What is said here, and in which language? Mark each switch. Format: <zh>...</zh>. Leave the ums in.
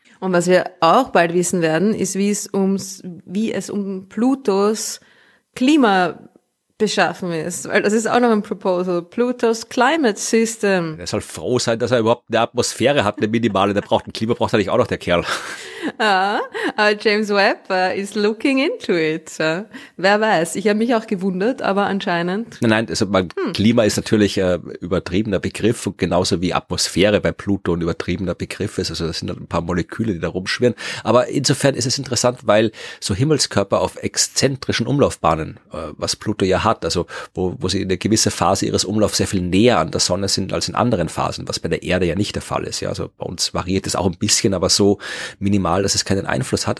<de>Und was wir auch bald wissen werden, ist, wie es ums, wie es um Plutos Klima beschaffen ist. Weil das ist auch noch ein Proposal. Plutos Climate System. Er soll froh sein, dass er überhaupt eine Atmosphäre hat, eine minimale. Der braucht ein Klima, braucht eigentlich auch noch der Kerl. Ja, aber</de> <en>James Webb äh, is looking into it.</en> <de>Ja. Wer weiß. Ich habe mich auch gewundert, aber anscheinend. Nein, nein, also mein Klima ist natürlich äh, übertriebener Begriff und genauso wie Atmosphäre bei Pluto ein übertriebener Begriff ist. Also das sind halt ein paar Moleküle, die da rumschwirren. Aber insofern ist es interessant, weil so Himmelskörper auf exzentrischen Umlaufbahnen, äh, was Pluto ja hat, also wo, wo sie in eine gewisse Phase ihres Umlaufs sehr viel näher an der Sonne sind als in anderen Phasen, was bei der Erde ja nicht der Fall ist. Ja, also bei uns variiert es auch ein bisschen, aber so minimal, dass es keinen Einfluss hat.</de>